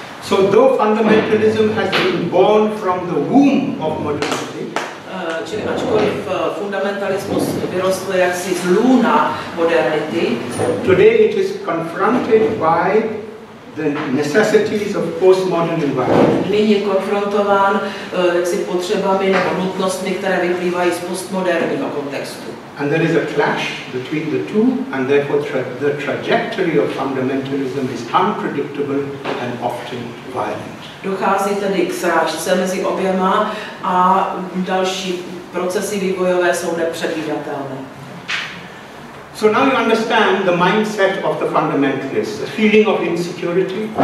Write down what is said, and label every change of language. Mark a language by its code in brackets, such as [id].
[en] So though fundamentalism has been born from the womb of modernity, [cs] čili ačkoliv fundamentalismus vyrostl jaksi z lůna modernity, [en] today it is confronted by the necessities of postmodern environment. [cs] Nyní je konfrontován jaksi potřebami nebo nutnostmi, které vyplývají z postmoderního kontextu. [en] And there is a clash between the two, and therefore the trajectory of fundamentalism is unpredictable and often violent. [cs] Dochází tedy k srážce mezi oběma a další procesy vývojové jsou nepředvídatelné. [en] So now you understand the mindset of the fundamentalist, the feeling of insecurity.